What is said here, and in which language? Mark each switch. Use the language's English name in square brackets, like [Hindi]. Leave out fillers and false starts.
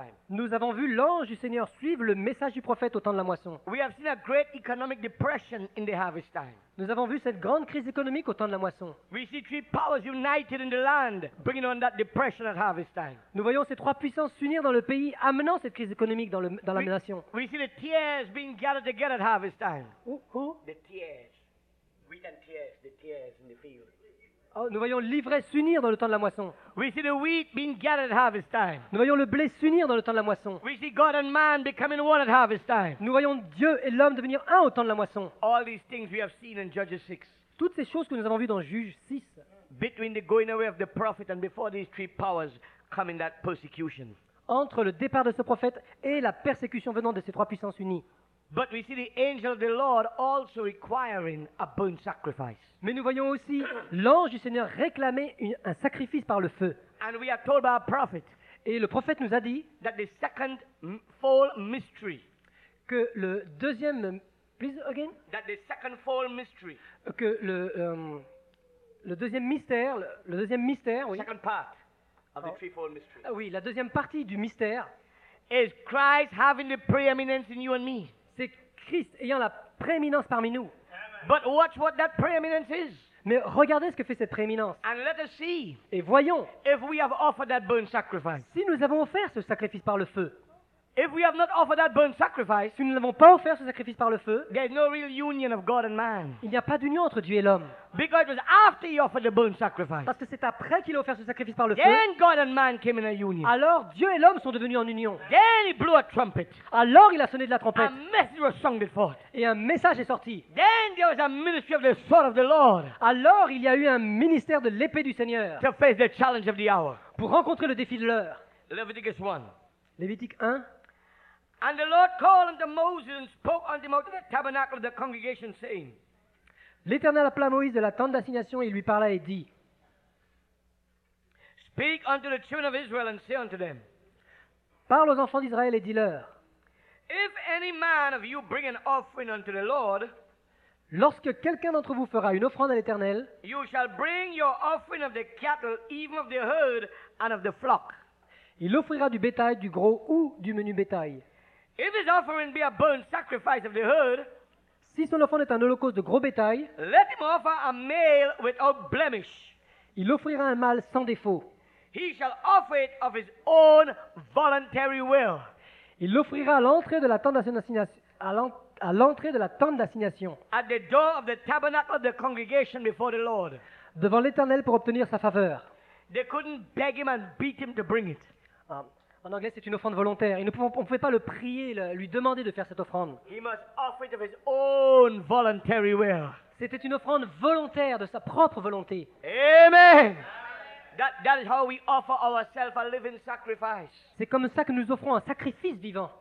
[French] Nous avons vu l'ange du Seigneur suivre le message du prophète au temps de la moisson. [English] We have seen a great economic depression in the harvest time. [French] Nous avons vu cette grande crise économique au temps de la moisson. [English] We see three powers united in the land, bringing on that depression at harvest time. [French] Nous voyons ces trois puissances s'unir dans le pays, amenant cette crise économique dans la nation. [English] We see the tears being gathered together at harvest time. Who? The tears, wheat and tears, the tears in the field. [French] Oh, nous voyons l'ivraie s'unir dans le temps de la moisson. [English] We see the wheat being gathered at harvest time. [French] Nous voyons le blé s'unir dans le temps de la moisson. [English] We see God and man becoming one at harvest time. [French] Nous voyons Dieu et l'homme devenir un au temps de la moisson. [English] All these things we have seen in Judges 6. [French] Toutes ces choses que nous avons vues dans Juges 6. [English] Between the going away of the prophet and before these three powers coming that persecution. [French] Entre le départ de ce prophète et la persécution venant de ces trois puissances unies. [English] But we see the angel of the Lord also requiring a burnt sacrifice. [French] Mais nous voyons aussi l'ange du Seigneur réclamer un sacrifice par le feu. [English] And we are told by a prophet. [French] Et le prophète nous a dit [English] that the second fall mystery. [French] Que le deuxième, [English] please again. That the second fall mystery. [French] Que le deuxième mystère, le deuxième mystère, oui. [English] Second part of the threefold mystery. [French] Oui, la deuxième partie du mystère. [English] Is Christ having the preeminence in you and me? [French] C'est Christ ayant la prééminence parmi nous. [English] But watch what that preeminence is. [French] Mais regardez ce que fait cette prééminence. [English] And let us see. [French] Et voyons. [English] If we have offered that burnt sacrifice. [French] Si nous avons offert ce sacrifice par le feu. [English] If we have not offered that burnt sacrifice, [French] si nous n'avons pas offert ce sacrifice par le feu, [English] there is no real union of God and man. [French] Il n'y a pas d'union entre Dieu et l'homme. [English] Because it was after he offered the burnt sacrifice. [French] Parce que c'est après qu'il a offert ce sacrifice par le [English] then [French] feu. [English] Then God and man came in a union. [French] Alors Dieu et l'homme sont devenus en union. [English] Then he blew a trumpet. [French] Alors il a sonné de la trompette. [English] A message was sung before. [French] Et un message est sorti. [English] Then there was a ministry of the sword of the Lord. [French] Alors il y a eu un ministère de l'épée du Seigneur. [English] To face the challenge of the hour. [French] Pour rencontrer le défi de l'heure. [English] Leviticus 1. [French] Lévitique 1. [English] And the Lord called unto Moses and spoke unto him out of the tabernacle of the congregation, saying. [French] L'Éternel appela Moïse de la tente d'assignation et lui parla et dit. [English] Speak unto the children of Israel and say unto them. [French] Parle aux enfants d'Israël et dis-leur. [English] If any man of you bring an offering unto the Lord. [French] Lorsque quelqu'un d'entre vous fera une offrande à l'Éternel. [English] You shall bring your offering of the cattle, even of the herd and of the flock. [French] Il offrira du bétail, du gros ou du menu bétail. [English] If his offering be a burnt sacrifice of the herd, [French] si son offrande est un holocauste de gros bétail, [English] let him offer a male without blemish. [French] Il offrira un mâle sans défaut. [English] He shall offer it of his own voluntary will. [French] Il l'offrira à l'entrée de la tente d'assignation. À l'entrée de la tente d'assignation. [English] At the door of the tabernacle of the congregation before the Lord. [French] Devant l'Éternel pour obtenir sa faveur. [English] They couldn't beg him and beat him to bring it. [French] En anglais, c'est une offrande volontaire. Ils ne pouvaient, on pouvait pas le prier, lui demander de faire cette offrande. [English] He must offer it of his own voluntary will. [French] C'était une offrande volontaire de sa propre volonté. [English] Amen. That is how we offer ourselves a living sacrifice. [French] C'est comme ça que nous offrons un sacrifice vivant.